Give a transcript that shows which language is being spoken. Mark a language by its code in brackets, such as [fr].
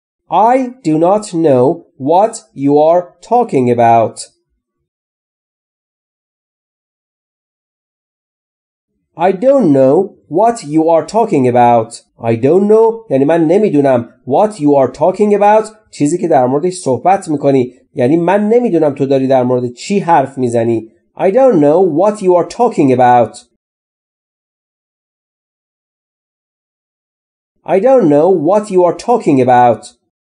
[en] I do not know what you are talking about. I don't know what you are talking about. I don't know [fa] یعنی من نمیدونم. [en] What you are talking about [fa] چیزی که در موردش صحبت میکنی، یعنی من نمیدونم تو داری در مورد چی حرف میزنی. [en] I don't know what you are talking about. I don't know what you are talking about.